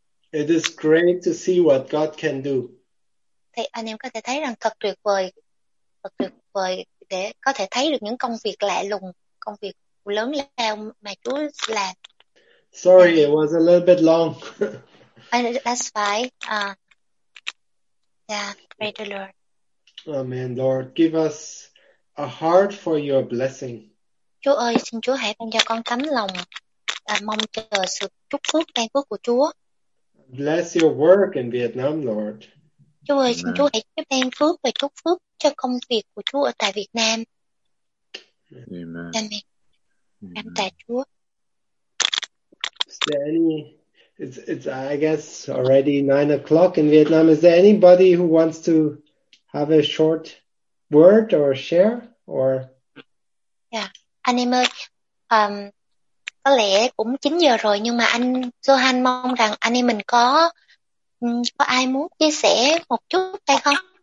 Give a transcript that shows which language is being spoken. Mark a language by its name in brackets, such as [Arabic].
[English] It is great to see what God can do. [Vietnamese] Thì anh em có thể thấy rằng thật tuyệt vời để có thể thấy được những công việc lạ lùng, công việc lớn lao mà Chúa làm. [English] Sorry, it was a little bit long. That's fine. Yeah, pray the Lord. Amen, Lord, give us a heart for your blessing. [Vietnamese] Chúa ơi, xin Chúa hãy ban cho con tấm lòng mong chờ sự chúc phước ban phước của Chúa. [English] Bless your work in Vietnam, Lord. [Vietnamese] Chúa ơi, xin Chúa hãy ban phước và chúc phước cho công việc của Chúa ở tại Việt Nam. [English] Amen. [Vietnamese] Cảm tạ Chúa. [English] Is there any, it's I guess already 9 o'clock in Vietnam. Is there anybody who wants to have a short word or share or? [Vietnamese] Yeah, anh em ơi, có lẽ cũng 9 giờ rồi nhưng mà anh Johan mong rằng anh em mình có ai muốn chia sẻ một chút hay không?